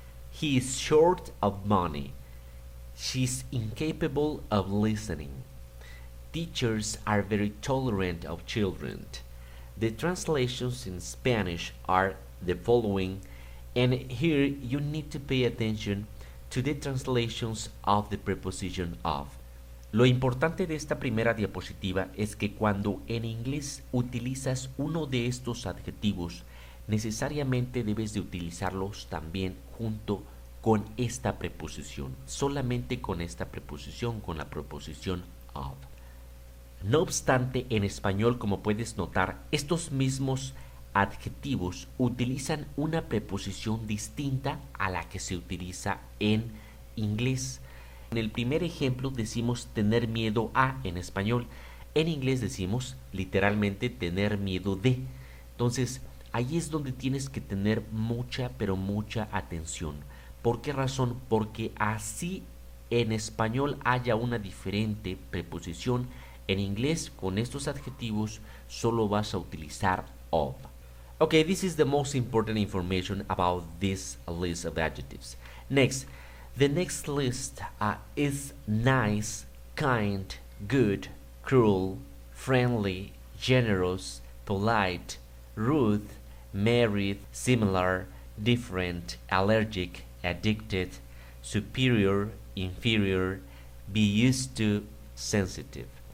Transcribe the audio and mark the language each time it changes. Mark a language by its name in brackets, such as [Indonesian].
[English] He is short of money. She's incapable of listening. Teachers are very tolerant of children. The translations in Spanish are the following, and here you need to pay attention to the translations of the preposition of. [Spanish] Lo importante de esta primera diapositiva es que cuando en inglés utilizas uno de estos adjetivos, necesariamente debes de utilizarlos también junto con esta preposición, solamente con esta preposición, con la preposición of. No obstante, en español, como puedes notar, estos mismos adjetivos utilizan una preposición distinta a la que se utiliza en inglés. En el primer ejemplo decimos tener miedo a en español. En inglés decimos literalmente tener miedo de. Entonces, ahí es donde tienes que tener mucha, pero mucha atención. ¿Por qué razón? Porque así en español haya una diferente preposición, en inglés con estos adjetivos solo vas a utilizar of. [English] Okay, this is the most important information about this list of adjectives. Next, the next list is nice, kind, good, cruel, friendly, generous, polite, rude, married, similar, different, allergic, addicted, superior, inferior, be used to, sensitive.